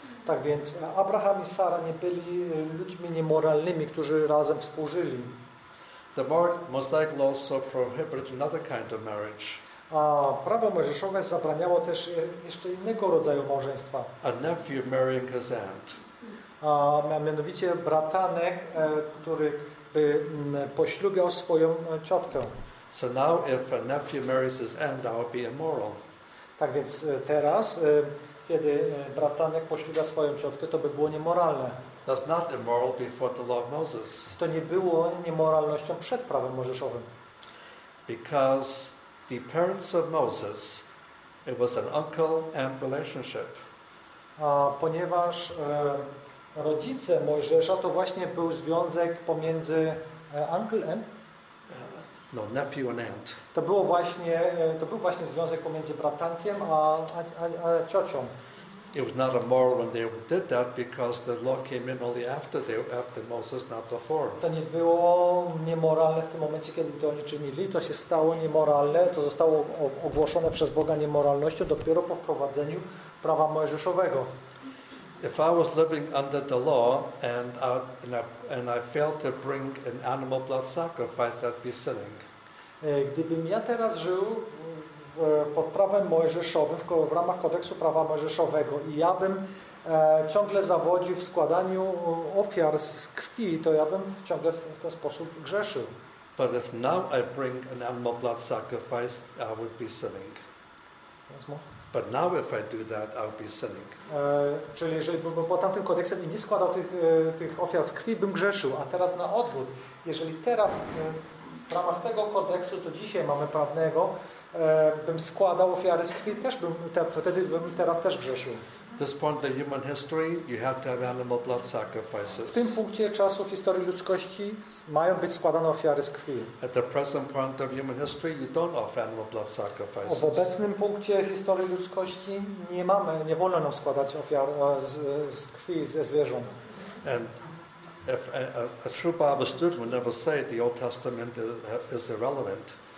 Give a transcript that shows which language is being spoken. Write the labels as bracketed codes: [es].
[pl] Tak więc Abraham i Sara nie byli ludźmi niemoralnymi, którzy razem współżyli. [en] The Mosaic law also prohibited another kind of marriage. [pl] A prawo mojżeszowe zabraniało też jeszcze innego rodzaju małżeństwa. [en] A nephew marrying his aunt. [pl] A mianowicie bratanek, który by poślubiał swoją ciotkę. [en] So now if a nephew marries his aunt, that would be immoral. [pl] Tak więc teraz, kiedy bratanek poślubia swoją ciotkę, to by było niemoralne. [en] That's not immoral before the law of Moses. [pl] To nie było niemoralnością przed prawem mojżeszowym. [en] Because the parents of Moses, it was an uncle and relationship. [pl] A ponieważ rodzice Mojżesza to właśnie był związek pomiędzy [en] uncle and nephew and aunt. [pl] To był właśnie związek pomiędzy bratankiem a ciocią. [en] It was not immoral when they did that because the law came in only after Moses, not before. [pl] To nie było niemoralne w tym momencie, kiedy to oni czynili. To się stało niemoralne, to zostało ogłoszone przez Boga niemoralnością dopiero po wprowadzeniu prawa mojżeszowego. [en] If I was living under the law and I failed to bring an animal blood sacrifice, that'd be sinning. [pl] Gdybym ja teraz żył pod prawem mojżeszowym, w ramach kodeksu prawa mojżeszowego i ja bym ciągle zawodził w składaniu ofiar z krwi, to ja bym ciągle w ten sposób grzeszył. [en] But if now I bring an animal blood sacrifice, I would be sinning. But now if I do that, I would be sinning. [pl] Czyli jeżeli bym pod tamtym kodeksem i nie składał tych ofiar z krwi, bym grzeszył, a teraz na odwrót. Jeżeli teraz w ramach tego kodeksu, to dzisiaj mamy prawnego, bym składał ofiary z krwi, też bym wtedy bym teraz też grzeszył. [en] This point in human history, you have to have animal blood sacrifices. [pl] W tym punkcie czasu w historii ludzkości mają być składane ofiary z krwi. [en] At the present point of human history, you don't offer animal blood sacrifices. [pl] W obecnym punkcie historii ludzkości nie wolno nam składać ofiar z krwi ze zwierząt. [en] And if a true Bible student would never say the Old Testament is irrelevant.